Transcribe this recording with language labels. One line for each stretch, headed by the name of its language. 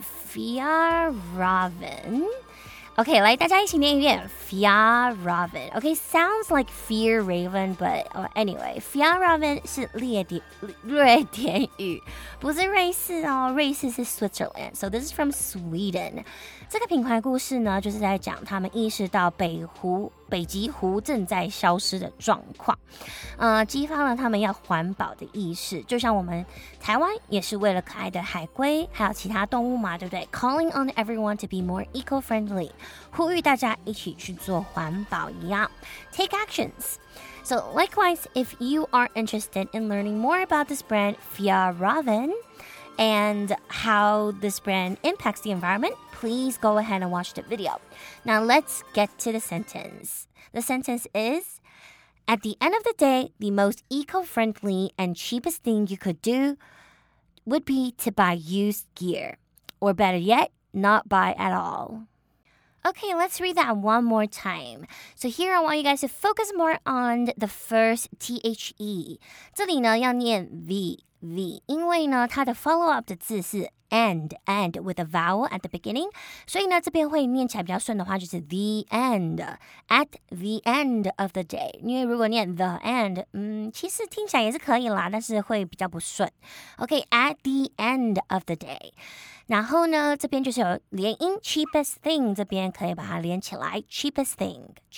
Chinese: Fjallraven。 Okay, 来大家一起念一遍 Fjallraven.
English: Okay, sounds like Fear Raven, but anyway, Fjallraven
Chinese: 是瑞典语，不是瑞士哦，瑞士是
English: Switzerland. So this is from Sweden.
Chinese: 这个品牌故事呢，就是在讲他们意识到北极湖正在消失的状况，激发了他们要环保的意识。就像我们台湾也是为了可爱的海龟还有其他动物嘛，对不对？
English: Calling on everyone to be more eco-friendly，
Chinese: 呼吁大家一起去做环保一样。
English: Take actions. So likewise, if you are interested in learning more about this brand Fjallraven and how this brand impacts the environment,Please go ahead and watch the video. Now let's get to the sentence. The sentence is, at the end of the day, the most eco-friendly and cheapest thing you could do would be to buy used gear. Or better yet, not buy at all. Okay, let's read that one more time. So here I want you guys to focus more on the first T-H-E.
Chinese: 这里呢要念 V, 因为呢它的 follow-up 的字是
English: And with a vowel at the beginning.
Chinese: 所以呢这边会念起来比较顺的话就是
English: the end. At the end of the day.
Chinese: 因为如果念
English: the end,
Chinese: 其实听起来也是可以啦，但是会比较不顺。
English: Okay, at the end of the day.
Chinese: 然后呢这边就是有连音
English: cheapest thing,
Chinese: 这边可以把它连起来 cheapest thing.